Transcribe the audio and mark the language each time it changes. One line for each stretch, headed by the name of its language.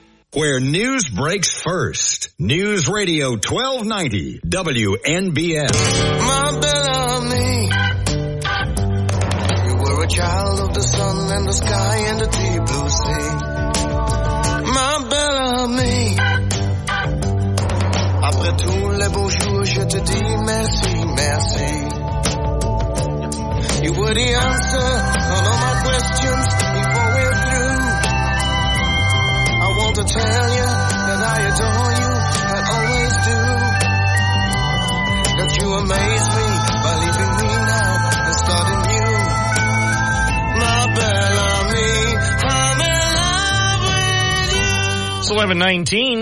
English: 1290 News Radio 1290 WNBF. My Bellamy, you were a child of the sun and the sky and the deep blue sea.
French: My Bellamy, après tous les beaux jours, je te dis merci, merci.
English: You were the answer on all my questions before we're through. I want to tell you I adore you, I always do. That you amaze me by leaving me now and starting new.